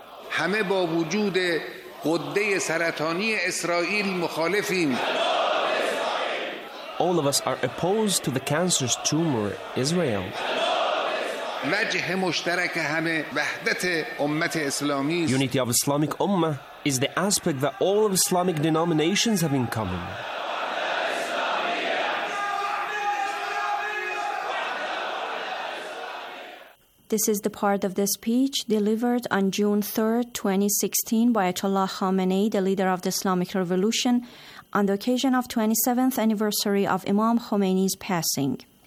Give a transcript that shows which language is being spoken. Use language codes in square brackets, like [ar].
[fa] همه با وجود قده سرطانی اسرائیل مخالفیم. [en] All of us are opposed to the cancer's tumor, Israel. [fa] وجه مشترک همه وحدت امت اسلامی. [en] Unity of Islamic Ummah is the aspect that all of Islamic denominations have in common. This is the part of the speech delivered on June 3, 2016 by Ayatollah Khamenei, the leader of the Islamic Revolution, on the occasion of 27th anniversary of Imam Khomeini's passing.